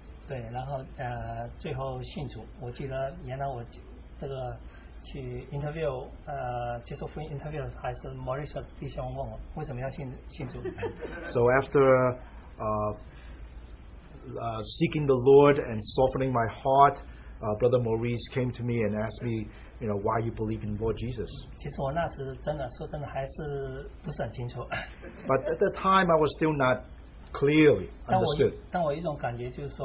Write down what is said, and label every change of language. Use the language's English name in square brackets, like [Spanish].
[Chinese] 对，然后最后信主。我记得原来我这个去接受福音interview还是Maurice弟兄问我为什么要信主。 [English] So after seeking the Lord and softening my heart, Brother Maurice came to me and asked me, you know, why you believe in Lord Jesus. [Chinese] 其实我那时真的说真的还是不是很清楚。 [English] But at the time, I was still not clearly understood.